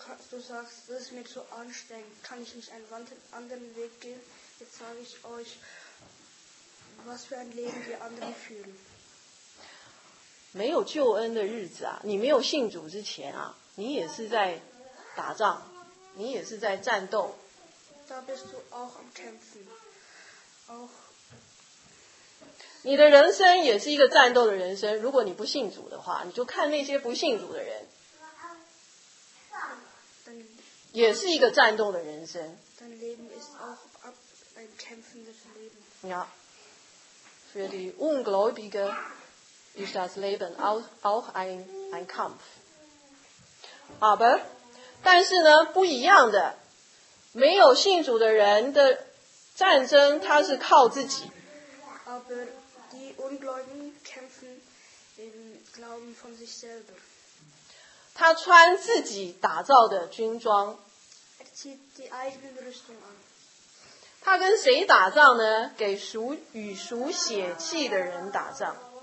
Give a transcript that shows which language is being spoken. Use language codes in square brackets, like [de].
[de] Du sagst, das ist mir zu anstrengend. Kann ich nicht einen anderen Weg gehen? Jetzt sage ich euch, was für ein Leben die anderen führen. [zh] 没有救恩的日子啊，你没有信主之前啊，你也是在打仗，你也是在战斗。 [de] Da bist du auch am kämpfen. Auch. [zh] 你的人生也是一个战斗的人生，如果你不信主的话，你就看那些不信主的人。 [de] Dann, [zh] 也是一个战斗的人生。 [de] Dein Leben ist auch ein kämpfendes Leben. Ja. Für die Ungläubige. Ist das Leben auch ein Kampf? Aber, [zh] 但是呢，不一样的，没有信主的人的战争，他是靠自己。 [de] Aber die Ungläubigen kämpfen im Glauben von sich selber. [zh] 他穿自己打造的军装。 [de] Er zieht die eigene Rüstung an. [zh] 他跟谁打仗呢？给属与属血气的人打仗。